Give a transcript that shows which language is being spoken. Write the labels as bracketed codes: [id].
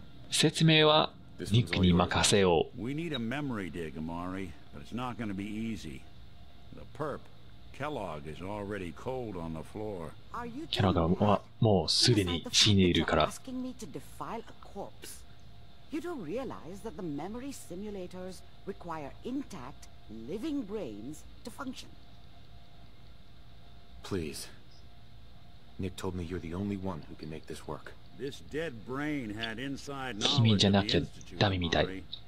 [ja] 説明はニックに任せよう。 [en] We need a memory dig, Amari, but it's not going to be easy. The perp, Kellogg, is already cold on the floor. Are you kidding? [ja] キャラがもうすでに死んでいるから。 [en] Asking me to defile a corpse. You don't realize that the memory simulators require intact. Living brains to function. Please. Nick told me you're the only one who can make this work. This dead brain had inside knowledge of the Institute, Amari.